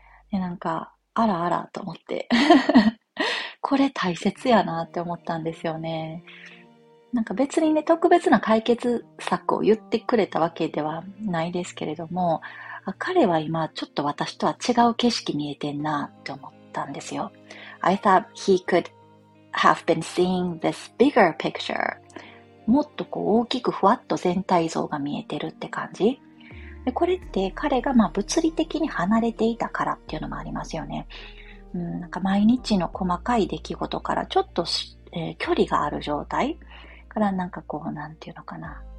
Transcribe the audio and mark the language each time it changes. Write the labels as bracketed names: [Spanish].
[Japanese] で、なんか、あらあらと思って。これ大切やなって思ったんですよね。なんか別にね、特別な解決策を言ってくれたわけではないですけれども、彼は今ちょっと私とは違う景色見えてんなって思ったんですよ。 [English] I thought he could have been seeing this bigger picture. [Japanese] もっとこう大きくふわっと全体像が見えてるって感じ。で、これって彼がまあ物理的に離れていたからっていうのもありますよね。なんか毎日の細かい出来事からちょっと、距離がある状態からなんかこう、なんていうのかな。